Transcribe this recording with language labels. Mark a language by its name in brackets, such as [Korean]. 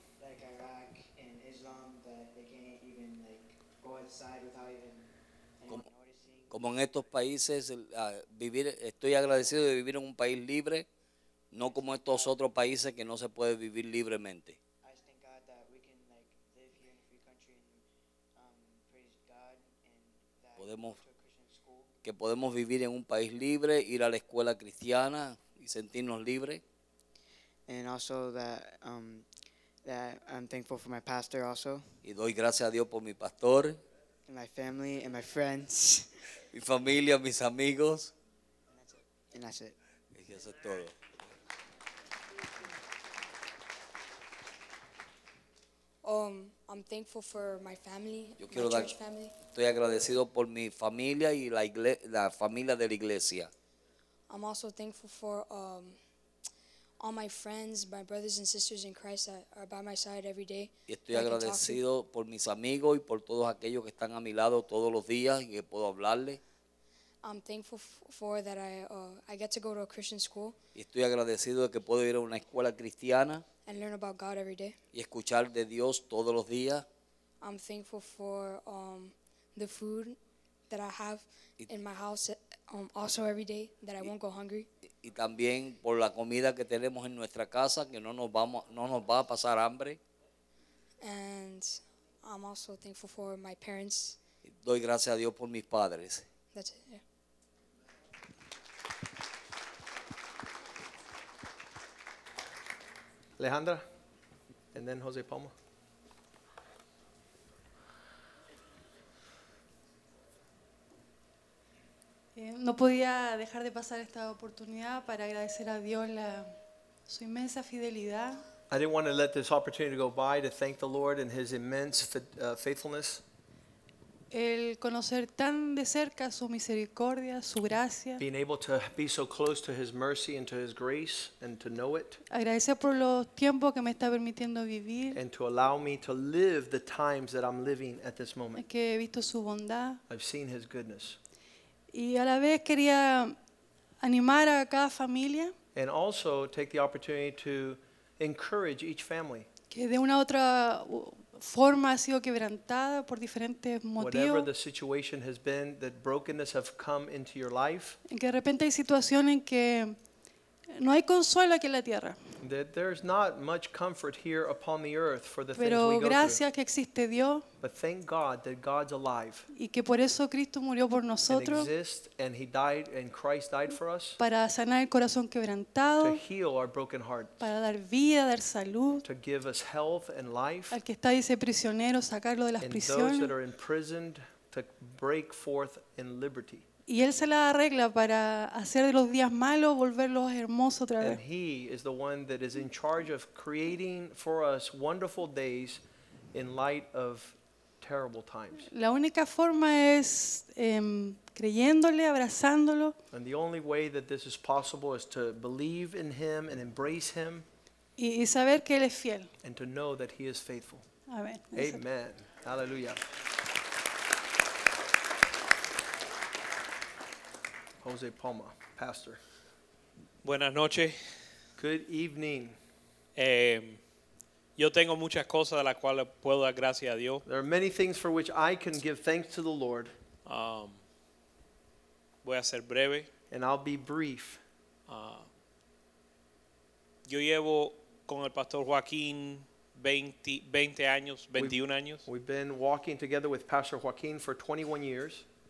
[English] Like Iraq and Islam, that they can't even like go outside without even anyone noticing. [Spanish] Como en estos países, vivir. Estoy agradecido de vivir en un país libre, no como estos otros países que no se puede vivir libremente. [English] I just thank God that we can like live here in a free country and praise God and that [Spanish] podemos, [English] to a Christian school. [Spanish] Que podemos vivir en un país libre, ir a la escuela cristiana y sentirnos libres. [English] And also that that I'm thankful for my pastor also. [Spanish] Y doy gracias a Dios por mi pastor. [English] And my family and my friends. [Spanish] Mi familia, mis amigos. [English] And that's it. And that's it. [Spanish] Y eso es todo. [English] I'm thankful for my family, [Spanish] yo quiero [English] my church family. [Spanish] Estoy agradecido por mi familia y la familia de la iglesia. [English] I'm also thankful for all my friends, my brothers and sisters in Christ that are by my side every day. [Spanish] Y estoy agradecido por mis amigos y por todos aquellos que están a mi lado todos los días y que puedo hablarle. [English] I'm thankful for that I get to go to a Christian school. [Spanish] Y estoy agradecido de que puedo ir a una escuela cristiana. [English] And learn about God every day. [Spanish] Y escuchar de Dios todos los días. [English] I'm thankful for the food that I have in my house also every day that I won't go hungry. [Spanish] Y también por la comida que tenemos en nuestra casa que no nos va a pasar hambre. [English] And I'm also thankful for my parents. [Spanish] Doy gracias a Dios por mis padres. [English] That's it, yeah. Alejandra, and then Jose Palma. [Spanish] No podía dejar de pasar esta oportunidad para agradecer a Dios su inmensa fidelidad. [English] I didn't want to let this opportunity go by to thank the Lord and his immense faithfulness. [Spanish] El conocer tan de cerca su misericordia, su gracia. [English] Being able to be so close to his mercy and to his grace and to know it. [Spanish] Agradecer por los tiempos que me está permitiendo vivir. [English] And to allow me to live the times that I'm living at this moment. [Spanish] Que he visto su bondad. [English] I've seen his goodness. [Spanish] Y a la vez quería animar a cada familia. [English] And also take the opportunity to encourage each family. [Spanish] Que de una otra forma ha sido quebrantada por diferentes motivos. [English] Whatever the situation has been, that brokenness have come into your life. [Spanish] En que de repente hay situaciones en que no hay consuelo aquí en la tierra. [English] That there's not much comfort here upon the earth for the [Spanish] Pero [English] things we [Spanish] gracias [English] go through. [Spanish] Que existe Dios. [English] But thank God that God's alive. [Spanish] Y que por eso Cristo murió por nosotros. [English] And exists, and he died, and Christ died for us. [Spanish] Para sanar el corazón quebrantado. [English] To heal our broken heart. [Spanish] Para dar vida, dar salud. [English] To give us health and life. [Spanish] Al que está ese prisionero, sacarlo de las [English] and [Spanish] prisiones. [English] And those that are imprisoned to break forth in liberty. [Spanish] Y él se la arregla para hacer de los días malos volverlos hermosos otra vez. [English] And he is the one that is in charge of creating for us wonderful days in light of terrible times. [Spanish] La única forma es creyéndole, abrazándolo. [English] And the only way that this is possible is to believe in him and embrace him. [Spanish] Y saber que él es fiel. [English] And to know that he is faithful. Amen. Amen. Hallelujah. Jose Palma, pastor. [Spanish] Buenas noches. [English] Good evening. [Spanish] Yo tengo muchas cosas de las cuales puedo dar gracias a Dios. [English] There are many things for which I can give thanks to the Lord. [Spanish] Voy a ser breve. [English] And I'll be brief. [Spanish] Yo llevo con el pastor Joaquín 21 años. [English] We've been walking together with Pastor Joaquín for 21 years.